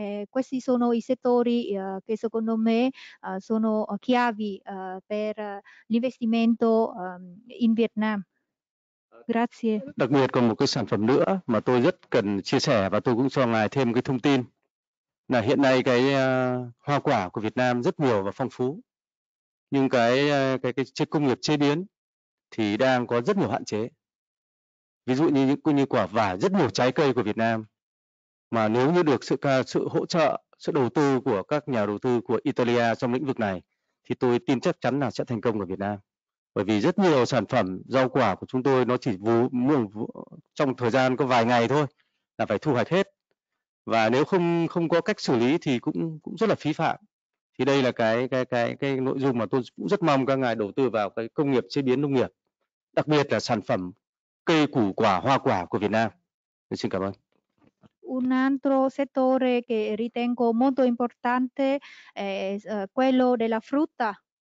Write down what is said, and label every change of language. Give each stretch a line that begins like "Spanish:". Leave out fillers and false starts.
Italian: Questi sono i settori che secondo me sono chiavi per l'investimento in Vietnam. Grazie.
Vietnamese: Đặc biệt còn một cái sản phẩm nữa mà tôi rất cần chia sẻ và tôi cũng cho ngài thêm cái thông tin là hiện nay cái hoa quả của Việt Nam rất nhiều và phong phú. Nhưng cái công nghiệp chế biến thì đang có rất nhiều hạn chế. Ví dụ như những như quả vải, rất nhiều trái cây của Việt Nam. Mà nếu như được sự hỗ trợ, sự đầu tư của các nhà đầu tư của Italia trong lĩnh vực này thì tôi tin chắc chắn là sẽ thành công ở Việt Nam. Bởi vì rất nhiều sản phẩm rau quả của chúng tôi nó chỉ trong thời gian có vài ngày thôi là phải thu hoạch hết. Và nếu không có cách xử lý thì cũng rất là phí phạm. Thì đây là cái nội dung mà tôi cũng rất mong các ngài đầu tư vào cái công nghiệp chế biến nông nghiệp, đặc biệt là sản phẩm cây củ quả hoa quả của Việt Nam. Nên xin cảm ơn.
Italian: Un altro settore che ritengo molto importante è quello della frutta.